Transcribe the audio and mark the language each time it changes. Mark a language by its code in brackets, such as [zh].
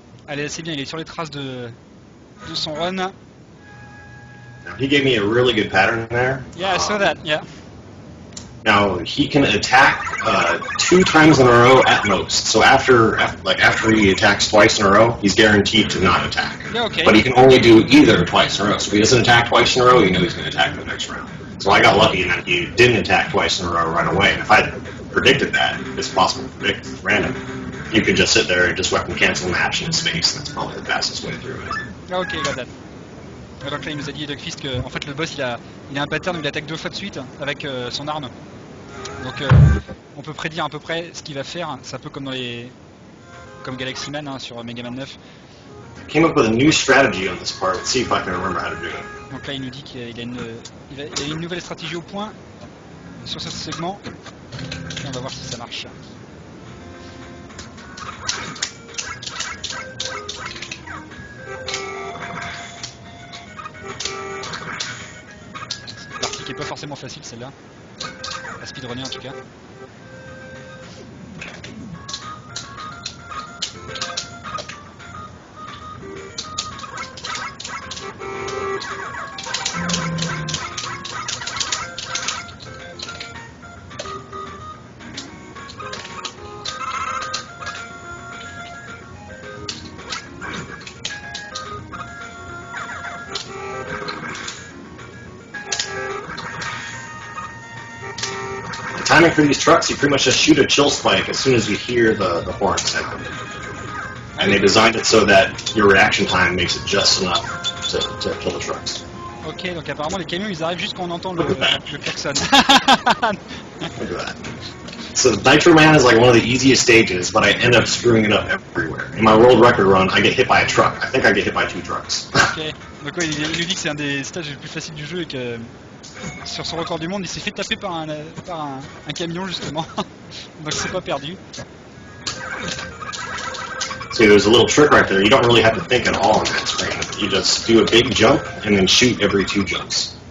[fr] Allez, c'est bien, il est sur les traces de son run. [en] He gave me a really good pattern there. Yeah, I saw that, yeah. Now, he can attack two times in a row at most. So after he attacks twice in a row, he's guaranteed to not attack. Yeah, okay. But he can only do either twice in a row. So if he doesn't attack twice in a row, you know he's going to attack the next round. So I got lucky in that he didn't attack twice in a row right away. And if I predicted that, it's possible to predict random. You could just sit there and just weapon cancel a match in space, and that's probably the fastest way through it. Okay, got that. [fr] Alors que là, il nous a dit Duckfist que en fait le boss il a un pattern où il attaque deux fois de suite avec son arme. Donc on peut prédire à peu près ce qu'il va faire. C'est un peu comme dans les comme Galaxy Man hein, sur Mega Man 9. [en] I came up with a new strategy on this part. Let's see if I can remember how to do it. [fr] Donc là il nous dit qu'il a une nouvelle stratégie au point sur ce segment. Et on va voir si ça marche. C'est pas forcément facile celle-là, à speedrunner en tout cas. Ah, [en] timing for these trucks, you pretty much just shoot a chill spike as soon as you hear the horn sound. And they designed it so that your reaction time makes it just enough to kill the trucks. [fr] Ok, donc apparemment les camions ils arrivent juste quand on entend le klaxon. [en] Look at that. So Nitro Man is like one of the easiest stages, but I end up screwing it up everywhere. In my world record run, I get hit by a truck. I think I get hit by two trucks. [fr] Ok, donc ouais, il nous dit que c'est un des stages les plus faciles du jeu et que sur son record du monde, il s'est fait taper par un camion justement. Donc c'est pas perdu. [en] See, there's a little trick right there. You don't really have to think at all on that screen. You just do a big jump and then shoot every two jumps.